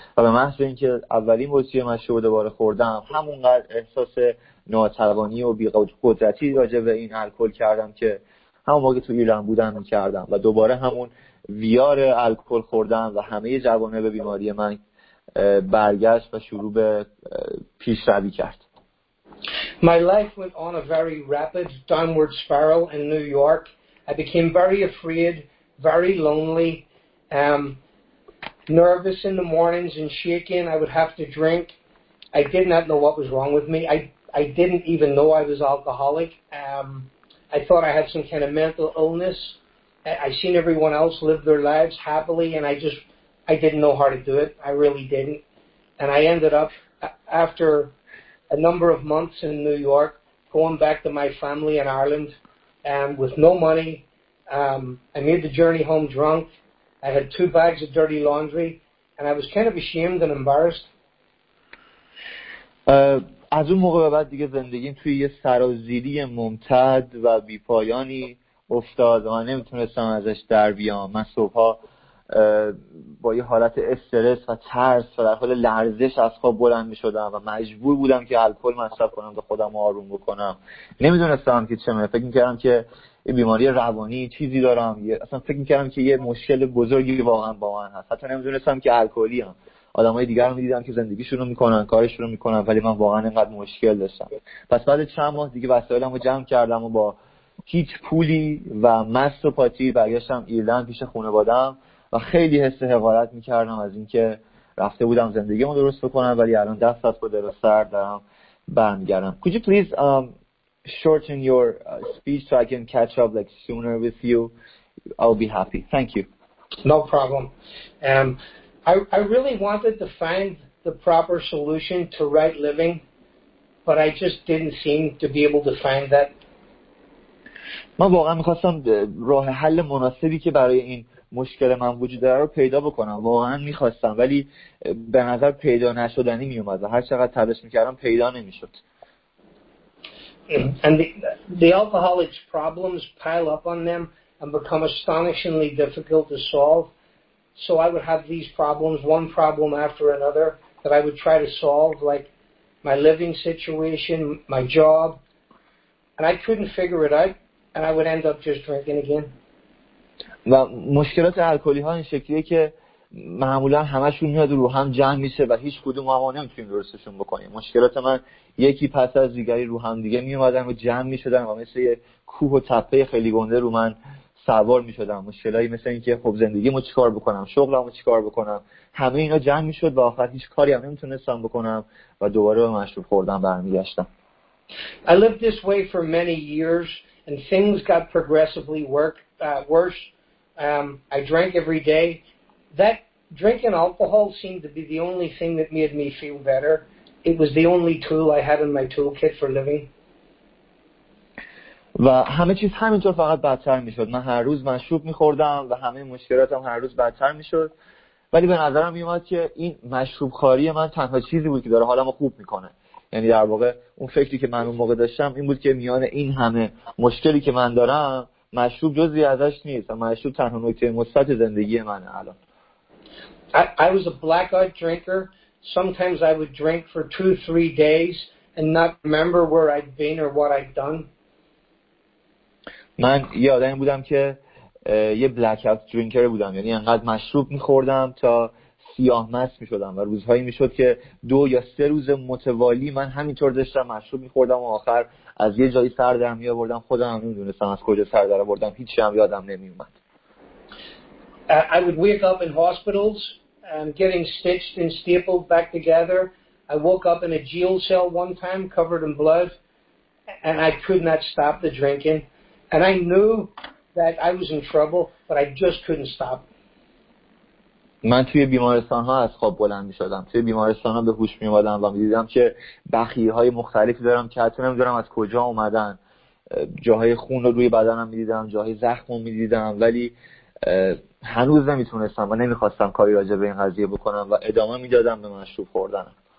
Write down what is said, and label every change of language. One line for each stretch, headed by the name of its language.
Persian: و به محض اینکه اولین بار چه مشروب دوباره خوردم، همونقدر احساس ناتوانی و بی‌قدرتی راجع به این الکل کردم که همون موقع تو ایران بودم میکردم، و دوباره همون ویار الکل خوردم و همه جوانه به بیماری من برگشت و شروع به پیش روی کرد.
English: My life went on a very rapid downward spiral in New York. I became very afraid, very lonely, nervous in the mornings and shaking. I would have to drink. I did not know what was wrong with me. I didn't even know I was alcoholic. I thought I had some kind of mental illness. I seen everyone else live their lives happily, and I didn't know how to do it. I really didn't. And I ended up, after a number of months in New York, going back to my family in Ireland, with no money. I made the journey home drunk. I had two bags of dirty laundry, and I was kind of ashamed and embarrassed.
Persian: از اون موقع به بعد دیگه زندگیم توی یه سرازیری ممتد و بیپایانی افتاد و نمیتونستم ازش در بیام. من صبحها با یه حالت استرس و ترس و در حال لرزش از خواب بلند میشدم و مجبور بودم که الکل مصرف کنم تا خودم رو آروم بکنم. نمیدونستم که چه فکر میکردم که یه بیماری روانی چیزی دارم، اصلا فکر میکردم که یه مشکل بزرگی واقعا با من هست. حتی نمیدونستم که الکلیم. آدم های دیگر رو میدیدم که زندگیشون رو میکنن، کارشون رو میکنن، ولی من واقعا اینقدر مشکل داشتم. پس بعد چند ماه دیگه وسایلم رو جمع کردم و با هیچ پولی و مست و پاتی برگشتم ایرلند پیش خانوادم و خیلی حس حقارت میکردم از اینکه رفته بودم زندگی رو درست بکنم، ولی الان دست از پا درست سر دارم برمیگردم.
English: Could you please shorten your speech so I can catch up like sooner with you? I'll be happy. Thank you. No problem. I really wanted to find the proper solution to right living, but I just didn't seem to be able to find that.
Persian: من واقعا می‌خواستم راه حل مناسبی که برای این مشکل من وجود داره رو پیدا بکنم. واقعا می‌خواستم، ولی به نظر پیدا نشدنی میومد. هر چقدر تلاش می‌کردم پیدا نمی‌شد.
English: And the alcoholic's problems pile up on them and become astonishingly difficult to solve. So I would have these problems, one problem after another, that I would try to solve, like my living situation, my job, and I couldn't figure it out, and I would end up just drinking again.
Persian: و مشکلات الکلی ها این شکلیه که معمولا همشون میاد رو هم جمع میشه و هیچ کدوم ما نمیتونیم درستشون بکنیم. مشکلات من یکی پس از دیگری رو هم دیگه میومدن و جمع میشدن و مثل یه کوه و تپه خیلی گنده رو من سوار می‌شدم. مشکلایی مثل اینکه خب زندگیمو چیکار بکنم، شغلمو چیکار بکنم، همه اینا جمع می‌شد و آخر هیچ کاری هم نمی‌تونستم بکنم و دوباره به مشروب خوردن برمیگشتم.
English: I lived this way for many years and things got progressively worse. I drank every day. That drinking alcohol seemed to be the only thing that made me feel better. It was the only tool I had in my toolkit for living.
Persian: و همه چیز همینطور فقط بدتر میشد. من هر روز مشروب میخوردم و همه مشکلاتم هر روز بدتر میشد، ولی به نظرم میومد که این مشروب خاری من تنها چیزی بود که داره حالم رو خوب میکنه. یعنی در واقع اون فکری که من اون موقع داشتم این بود که میان این همه مشکلی که من دارم، مشروب جزی ازش نیست و مشروب تنها نکته مثبت زندگی منه الان.
English: I was a blackout drinker. Sometimes I would drink for 2-3 days and not remember where I'd been or what I'd done.
Persian: من یه آدمی بودم که یه بلک اوت درینکر بودم، یعنی انقدر مشروب می‌خوردم تا سیاه مست می‌شدم و روزهایی می‌شد که 2 یا 3 روز متوالی من همینطور داشتم مشروب می‌خوردم و آخر از یه جایی سر در می‌آوردم، خودم نمی‌دونستم از کجا سر در آوردم، هیچ چیزی هم یادم نمی‌اومد.
English: I would wake up in hospitals getting stitched and stapled back together. I woke up in a jail cell one time covered in blood and I could not stop the drinking. And I knew that I was in trouble, but I just couldn't stop.
Persian: من توی بیمارستان‌ها از خواب بلند می‌شدم. توی بیمارستان‌ها به هوش می‌اومدم و می‌دیدم که بخیه‌های مختلفی دارم که حتی نمی‌دونم از کجا اومدن. جاهای خون رو روی بدنم میدیدم، جاهای زخم رو میدیدم، ولی هنوز نمیتونستم و نمیخواستم کاری راجع به این قضیه بکنم و ادامه میدادم به مشروب خوردنم.